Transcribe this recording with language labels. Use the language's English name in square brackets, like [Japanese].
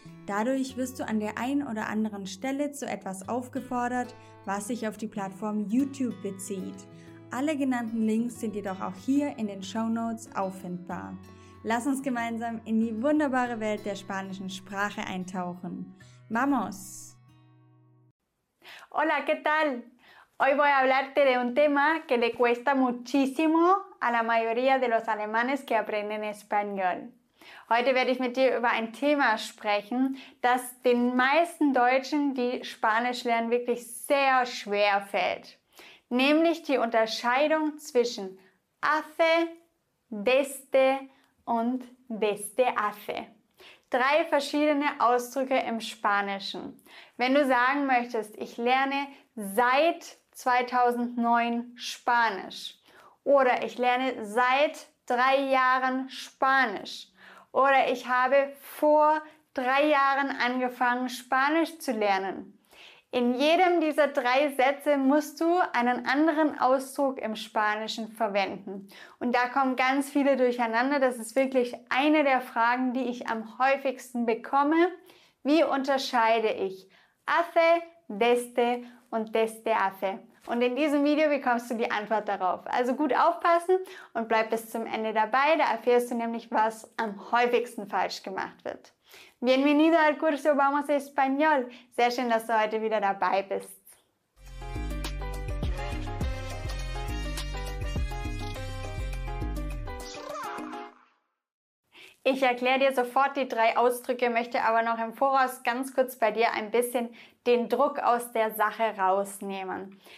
[German] Dadurch wirst du an der einen oder anderen Stelle zu etwas aufgefordert, was sich auf die Plattform YouTube bezieht. Alle genannten Links sind jedoch auch hier in den Shownotes auffindbar. Lass uns gemeinsam in die wunderbare Welt der spanischen Sprache eintauchen. [Spanish] ¡Vamos! Hola, ¿qué tal? Hoy voy a hablarte de un tema que le cuesta muchísimo a la mayoría de los alemanes que aprenden español. [German] Heute werde ich mit dir über ein Thema sprechen, das den meisten Deutschen, die Spanisch lernen, wirklich sehr schwer fällt. Nämlich die Unterscheidung zwischen hace, desde und desde hace. Drei verschiedene Ausdrücke im Spanischen. Wenn du sagen möchtest, ich lerne seit 2009 Spanisch oder ich lerne seit 3 Jahren Spanisch oder ich habe vor 3 Jahren angefangen, Spanisch zu lernen. In jedem dieser 3 Sätze musst du einen anderen Ausdruck im Spanischen verwenden. Und da kommen ganz viele durcheinander. Das ist wirklich eine der Fragen, die ich am häufigsten bekomme. Wie unterscheide ich hace, desde und desde hace? Und in diesem Video bekommst du die Antwort darauf. Also gut aufpassen und bleib bis zum Ende dabei. Da erfährst du nämlich, was am häufigsten falsch gemacht wird. [Spanish] Bienvenido al curso Vamos Español. [German] Sehr schön, dass du heute wieder dabei bist. Ich erkläre dir sofort die 3 Ausdrücke, möchte aber noch im Voraus ganz kurz bei dir ein bisschen den Druck aus der Sache rausnehmen.